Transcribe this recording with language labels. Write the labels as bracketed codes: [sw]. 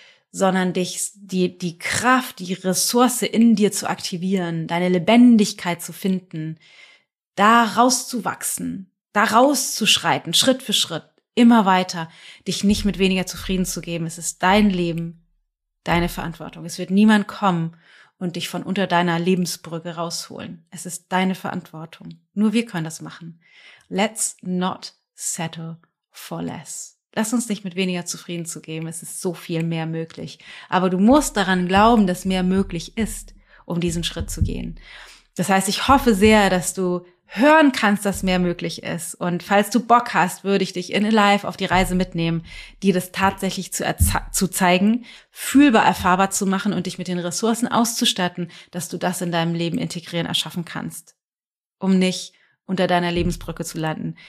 [de] Sondern dich, die Kraft, die Ressource in dir zu aktivieren, deine Lebendigkeit zu finden, da rauszuwachsen, da rauszuschreiten, Schritt für Schritt, immer weiter, dich nicht mit weniger zufrieden zu geben. Es ist dein Leben, deine Verantwortung. Es wird niemand kommen und dich von unter deiner Lebensbrücke rausholen. Es ist deine Verantwortung. Nur wir können das machen. [en] Let's not settle for less. [de] Lass uns nicht mit weniger zufrieden zu geben. Es ist so viel mehr möglich. Aber du musst daran glauben, dass mehr möglich ist, um diesen Schritt zu gehen. Das heißt, ich hoffe sehr, dass du hören kannst, dass mehr möglich ist. Und falls du Bock hast, würde ich dich in Alive auf die Reise mitnehmen, dir das tatsächlich zu zeigen, fühlbar erfahrbar zu machen und dich mit den Ressourcen auszustatten, dass du das in deinem Leben integrieren, erschaffen kannst, um nicht unter deiner Lebensbrücke zu landen.